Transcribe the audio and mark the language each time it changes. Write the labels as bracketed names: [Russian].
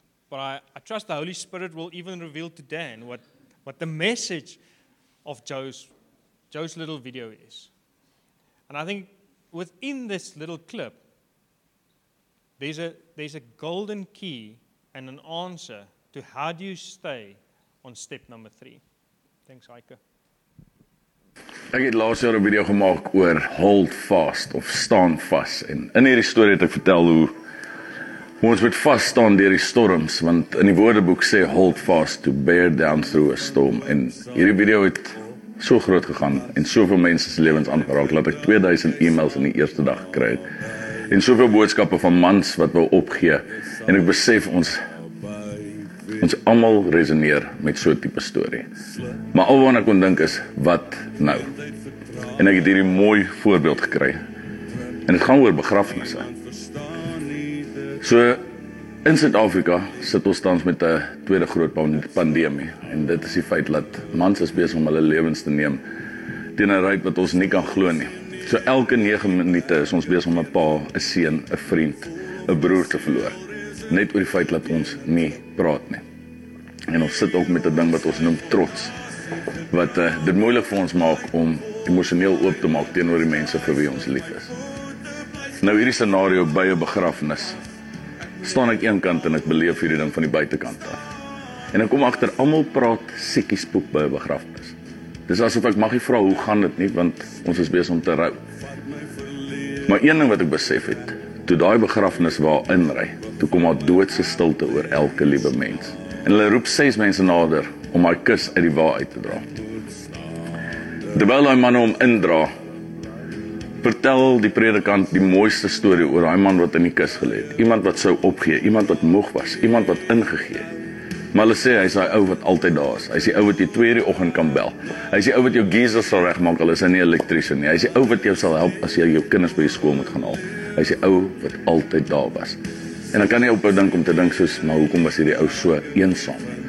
[English] But I trust the Holy Spirit will even reveal to Dan what the message of Joe's little video is. And I think within this little clip, there's a golden key and an answer to how do you stay on step number 3. Thanks, Heike. [Afrikaans] Ek het laas jaar 'n video gemaak oor hold fast of staan vas. En in hierdie storie het ek vertel hoe ons moet vas staan deur die storms, want in die woordeboek sê hold fast to bear down through a storm. En hierdie video het so groot gegaan en soveel mense se lewens aangeraak dat ek 2000 e-mails in die eerste dag gekry het. En soveel boodskappe van mans wat wou opgee. En ek besef ons almal resoneer met so 'n tipe storie. Maar al wat ek kon dink is, wat nou? En ek het hierdie mooi voorbeeld gekry. En dit gaan oor begrafnisse. So, in Suid-Afrika sit ons tans met 'n tweede groot pandemie. En dit is die feit dat mans is besig om hulle lewens te neem teen 'n ryk wat ons nie kan glo nie. So elke 9 minute is ons besig om 'n pa, 'n seun, 'n vriend, 'n broer te verloor. Net oor die feit dat ons nie praat nie. En ons sit ook met 'n ding wat ons noem trots, wat dit moeilik vir ons maak om emosioneel oop te maak teenoor die mense vir wie ons lief is. Nou hierdie scenario by 'n begrafnis, staan ek een kant en ek beleef hierdie ding van die buitekant af. En ek kom agter, almal praat sekkiespoek by 'n begrafnis. Dis asof ek mag nie vra hoe gaan dit nie, want ons is besig om te rou. Maar een ding wat ek besef het, toe daai begrafnis waar inry, toe kom daar doodse stilte oor elke liewe mens. En hulle roep 6 mense nader om haar kus uit die wa uit te dra. Terwyl daai man hom indra, vertel die predikant die mooiste storie oor daai man wat in die kus gelê het. Iemand wat sou opgee, iemand wat moeg was, iemand wat ingegee het. Maar hulle sê hy is daai ou wat altyd daar is. Hy is die ou wat jy 2 uur die oggend kan bel. Hy is die ou wat jou geyser sal regmaak al is hy nie elektriese nie. Hy is die ou wat jou sal help as jy jou kinders by die skool moet gaan haal. Hy is die ou wat altyd daar was. En dan kan jy ophou dink om te dink soos, maar hoekom was hierdie ou so eensaam?